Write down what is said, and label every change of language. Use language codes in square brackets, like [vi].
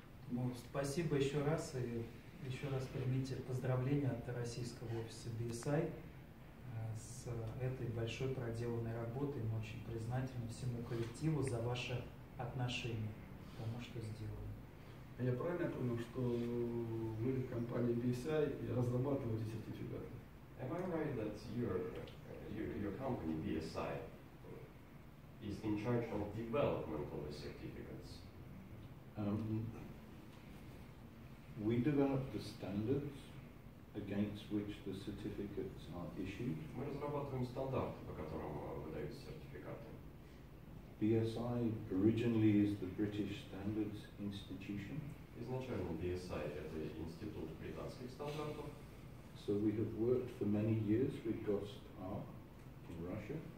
[ru] Ну, спасибо еще раз, и еще раз примите поздравления от российского офиса BSI с этой большой проделанной работой. Мы очень признательны всему коллективу за ваше отношение к тому, что сделали. Я правильно понял, что вы в компании BSI разрабатываете сертификаты? [en] Am I right that your company BSI is in charge of development of the certificates? We develop the standards against which the certificates are issued. [ru] Мы разрабатываем стандарты, по которым выдаются сертификаты. [en] BSI originally is the British Standards Institution. [ru] Изначально BSI — это институт британских стандартов. [en] So we have worked for many years with GOSTAR in Russia.